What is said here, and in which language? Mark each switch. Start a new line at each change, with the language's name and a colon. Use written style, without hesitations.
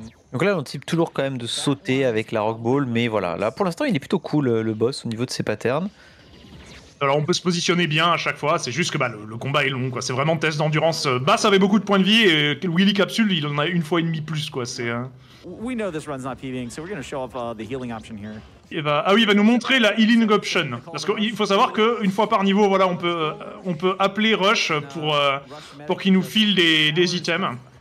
French: Donc là, on type toujours quand même de sauter avec la Rock Ball, mais voilà. Là, pour l'instant, il est plutôt cool, le boss, au niveau de ses patterns. Alors, on peut se positionner bien à chaque fois, c'est juste que bah, le combat est long, quoi. C'est vraiment test d'endurance. Bass avait beaucoup de points de vie, et Willy Capsule, il en a une fois et demi plus, quoi. C'est...
English: We know this run's not PVing, so we're going to show off the healing option here.
French: Il va nous montrer la healing option. Parce qu'il faut savoir qu'une fois par niveau, voilà, on peut appeler Rush pour qu'il nous file des items.